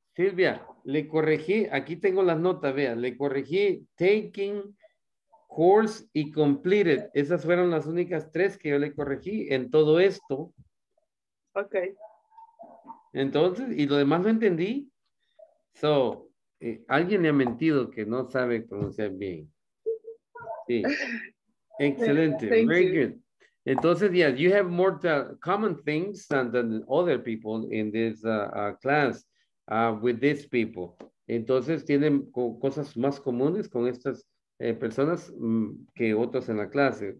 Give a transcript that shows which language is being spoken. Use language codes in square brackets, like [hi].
[es] Silvia, le corregí, aquí tengo las notas, vea, le corregí taking course y completed. Esas fueron las únicas tres que yo le corregí en todo esto. Ok. Entonces, y lo demás lo entendí. So, alguien le ha mentido que no sabe pronunciar bien. Sí. Excelente, [en] very good. Entonces, yeah, you have more common things than other people in this class with these people. [es] Entonces, tienen cosas más comunes con estas personas que otros en la clase.